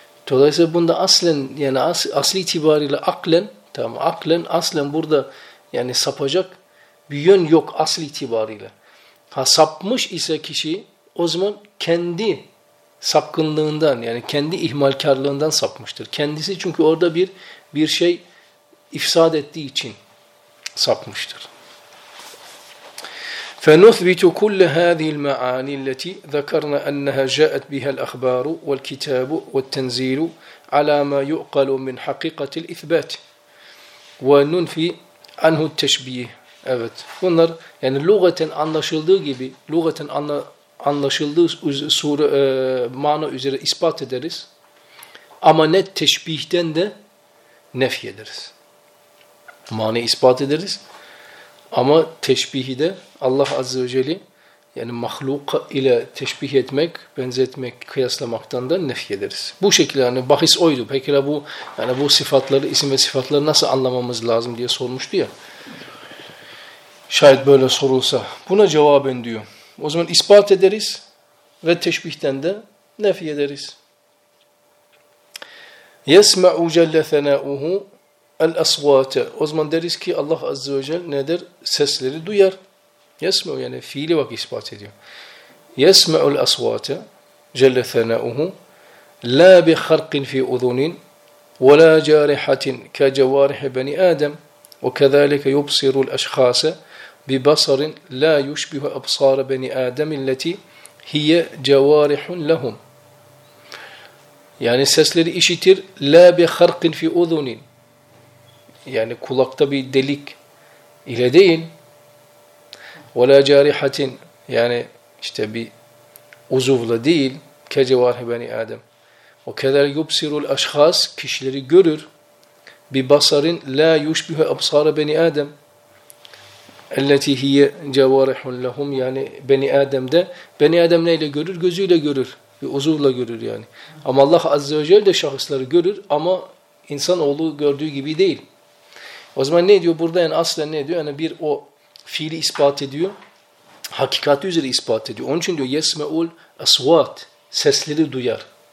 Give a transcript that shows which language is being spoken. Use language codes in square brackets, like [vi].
[tr] Dolayısıyla bunda aslen, yani asli itibariyle aklen, tamam aklen, aslen burada yani sapacak bir yön yok asli itibariyle. Ha sapmış ise kişi, o zaman kendi sapkınlığından, yani kendi ihmalkarlığından sapmıştır. Kendisi çünkü orada bir şey ifsad ettiği için sapmıştır. [ar] فنثبت كل هذه المعاني التي ذكرنا أنها جاءت بها الأخبار والكتاب والتنزيل على ما يعقل من حقيقة الإثبات وننفي عنه التشبيه. [tr] Evet. Bunlar yani lügaten anlaşıldığı gibi, lügaten anlaşıldığı sure, mana üzere ispat ederiz. Ama net teşbihten de nefy ederiz. Mana ispat ederiz. Ama teşbihi de Allah Azze ve Celle yani mahluk ile teşbih etmek, benzetmek, kıyaslamaktan da nefy ederiz. Bu şekilde hani bahis oydu. Peki bu yani bu sıfatları, isim ve sıfatları nasıl anlamamız lazım diye sormuştu ya. Şayet böyle sorulsa. Buna cevaben diyor. O zaman ispat ederiz ve teşbihten de nefy ederiz. [ar] يَسْمَعُ جَلَّ ثَنَاءُهُ الْأَصْوَاتَ [tr] O zaman deriz ki Allah Azze ve Celle nedir? Sesleri duyar. يَسْمَعُ yani fiili vakit ispat ediyor. [ar] يَسْمَعُ الْأَصْوَاتَ جَلَّ ثَنَاءُهُ لَا بِخَرْقٍ فِي اُذُنٍ وَلَا جَارِحَةٍ كَجَوَارِحِ بَنِ آدَمٍ وَكَذَلِكَ يُبْصِرُ الْأَشْخَاسَ بِبَصَرٍ لَا يُشْبِهُ أَبْصَارَ بَنِ آدَمٍ الَّتِي هِيَ جَوَارِحٌ لَهُمْ [tr] Yani sesleri işitir. [ar] لَا بِخَرْقٍ فِي اُذُنٍ [tr] Yani kulakta bir delik ile değil. [ar] وَلَا جَارِحَةٍ [tr] Yani işte bir uzuvla değil. [ar] كَجَوَارِحِ بَنِ آدَمٍ وَكَذَلْ يُبْصِرُ الْأَشْخَاسِ [tr] Kişileri görür. [ar] بِبَصَرٍ لَا يُشْبِهُ أَبْصَارَ بَنِ آدَمٍ اَلَّتِ هِيَ جَوَارِحٌ لَهُمْ [tr] Yani Beni Adem'de, Beni Adem neyle görür? Gözüyle görür, bir uzuvla görür yani. Ama Allah Azze ve Celle de şahısları görür ama insanoğlu gördüğü gibi değil. O zaman ne diyor burada? Yani aslen ne diyor? Yani bir o fiili ispat ediyor, hakikati üzere ispat ediyor. Onun için diyor, [ar] يَسْمَعُ الْأَصْوَاتِ [tr] Sesleri duyar.